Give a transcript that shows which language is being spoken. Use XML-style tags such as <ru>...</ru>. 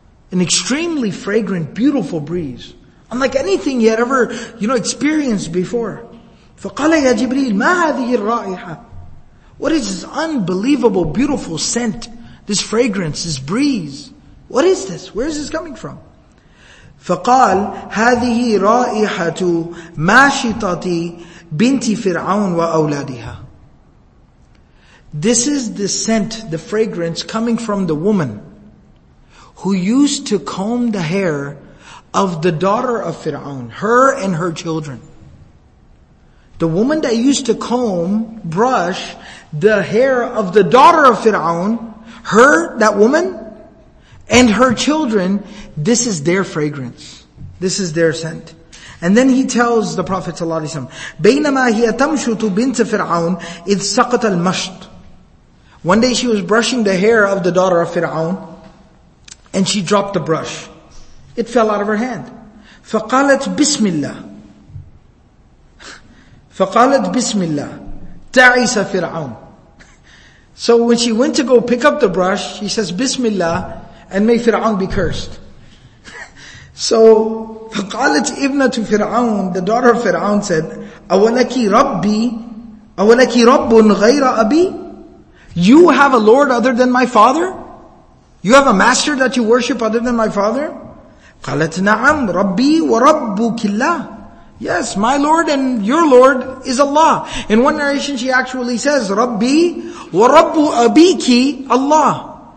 <en>An extremely fragrant, beautiful breeze. Unlike anything he had ever, you know, experienced before.</en> <ar>فَقَالَ يَا جِبْرِيلُ مَا هَذِهِ الرَّائِحَةُ.</ar> <en>What is this unbelievable, beautiful scent, this fragrance, this breeze? What is this? Where is this coming from?</en> <ar>فقال هذه رائحة ماشطة بنت فرعون وأولادها.</ar> <en>This is the scent, the fragrance coming from the woman who used to comb the hair of the daughter of Fir'aun, her and her children. The woman that used to comb, brush the hair of the daughter of Fir'aun, her, that woman, and her children, this is their fragrance. This is their scent. And then he tells the Prophet ﷺ,</en> <ar>بَيْنَمَا هِيَ تَمْشُتُ بِنْتَ فِرْعَوْنَ إِذْ سَقَطَ الْمَشْتُ.</ar> <en>One day she was brushing the hair of the daughter of Fir'aun, and she dropped the brush. It fell out of her hand.</en> <ar>فَقَالَتْ بِسْمِ اللَّهِ. فَقَالَتْ بِسْمِ اللَّهِ تَعِسَ فِرْعَوْنَ.</ar> <en>So when she went to go pick up the brush, she says, Bismillah, and may Fir'aun be cursed. So,</en> <ar>فَقَالَتْ إِبْنَةُ فِرْعَوْنَ,</ar> <en>the daughter of Fir'aun said,</en> <ar>أَوَلَكِ رَبٌ غَيْرَ أَبِي.</ar> <en>You have a lord other than my father? You have a master that you worship other than my father?</en> <ar>قَالَتْ نَعَمْ رَبِّي وَرَبُّكِ اللَّهِ.</ar> <en>Yes, my lord and your lord is Allah. In one narration she actually says,</en> <ar>رَبِّي وَرَبُّ أَبِيكِ</ar> <en>Allah.</en>